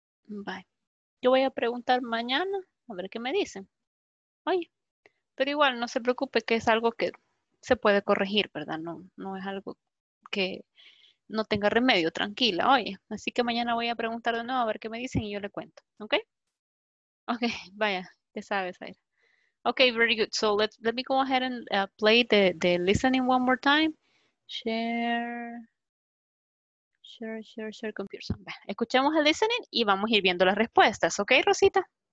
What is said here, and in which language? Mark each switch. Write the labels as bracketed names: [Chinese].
[Spanish] Bye. Yo voy a preguntar mañana, a ver qué me dicen. Oye. Pero igual, no se preocupe que es algo que se puede corregir, ¿verdad? No es algo que no tenga remedio, tranquila, oye. Así que mañana voy a preguntar de nuevo a ver qué me dicen y yo le cuento, ¿ok? Ok, vaya, ya sabes, Aira. [English] Ok, very good. So let me go ahead and play the listening one more time. Share computer. [Spanish] Escuchemos el listening y vamos a ir viendo las respuestas, ¿ok, Rosita?